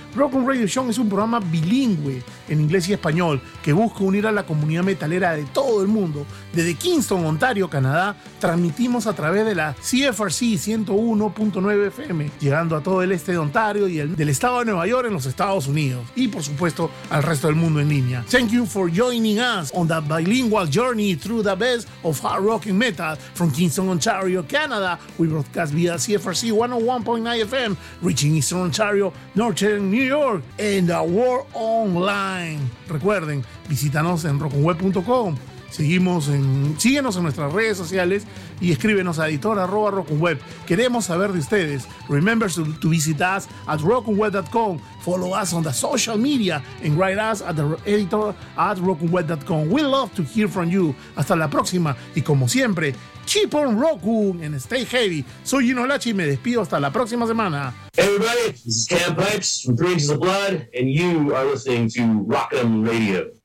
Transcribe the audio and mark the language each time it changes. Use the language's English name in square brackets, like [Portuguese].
[Spanish] Rock and Radio Show es un programa bilingüe en inglés y español que busca unir a la comunidad metalera de todo el mundo. Desde Kingston, Ontario, Canadá, transmitimos a través de la CFRC 101.9 FM, llegando a todo el este de Ontario y del estado de Nueva York en los Estados Unidos. Y, por supuesto, al resto del mundo en línea. [English] Thank you for joining us on that bilingual journey through the best of hard rock and metal from Kingston, Ontario, Canada. We broadcast via CFRC 101.9 FM, reaching Eastern Ontario, Northern New York and the world online. [Spanish] Recuerden, visítanos en rockandweb.com. Síguenos en nuestras redes sociales y escríbenos a editor@rockandweb. Queremos saber de ustedes. [English] Remember to visit us at rockandweb.com. Follow us on the social media and write us at editor@rockandweb.com. We love to hear from you. [Spanish] Hasta la próxima y, como siempre, [English] keep on rocking and stay heavy. [Spanish] Soy Gino Lachi y me despido hasta la próxima semana. [English] Hey everybody, this is Cam Pipes from Three Inches of Blood, and you are listening to Rock'em Radio.